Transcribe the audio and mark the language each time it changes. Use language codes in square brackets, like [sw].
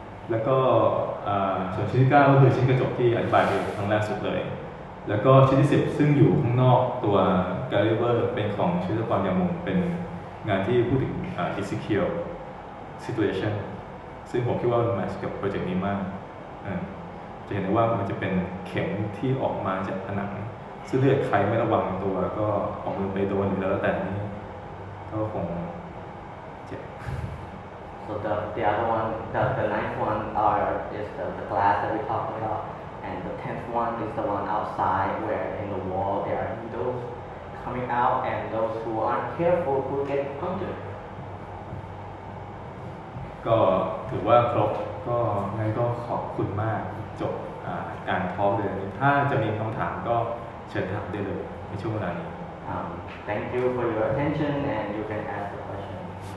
[th] แล้วก็ส่วนชิ้นที่9ก็คือชิ้นกระจกที่อธิบายไปครั้งแรกสุดเลยแล้วก็ชิ้นที่10ซึ่งอยู่ข้างนอกตัวกาลิเวอร์เป็นของชิลปอนยามุงเป็นงานที่พูดถึงอิซิเคียลซิตูเอชั่นซึ่งผมคิดว่ามันแมทช์กับโปรเจกต์นี้มากจะเห็นได้ว่ามันจะเป็นเข็มที่ออกมาจากผนังซึ่งเลือดใครไม่ระวังตัวก็ออกมือไปโดนหรือแล้วแต่นี้ก็คงเจ็บ [en] so the other one the ninth one is the glass that we talked about and the tenth one is the one outside where in the wall there are needles coming out and those who aren't careful will get punctured [th] ก็ถือว่าครบก็งั้นก็ขอบคุณมากจบการทอล์กเลยถ้าจะมีคำถามก็เชิญถามได้เลยในช่วงเวลานี้ [en] Thank you for your attention, and you can ask the questions.